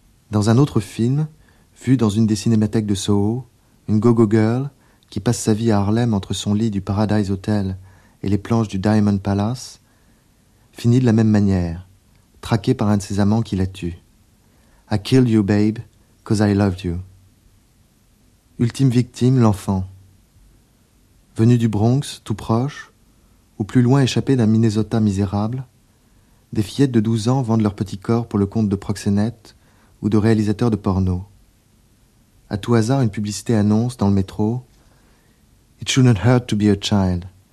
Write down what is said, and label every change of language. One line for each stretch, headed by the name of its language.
French: Dans un autre film, vu dans une des cinémathèques de Soho, une go-go girl qui passe sa vie à Harlem entre son lit du Paradise Hotel et les planches du Diamond Palace, finit de la même manière, traquée par un de ses amants qui la tue.
English: I killed you, babe, 'cause I loved you.
French: Ultime victime, l'enfant. Venu du Bronx, tout proche, ou plus loin échappé d'un Minnesota misérable, des fillettes de 12 ans vendent leur petit corps pour le compte de proxénètes ou de réalisateurs de porno. À tout hasard, une publicité annonce dans le métro
English: It shouldn't hurt to be a child.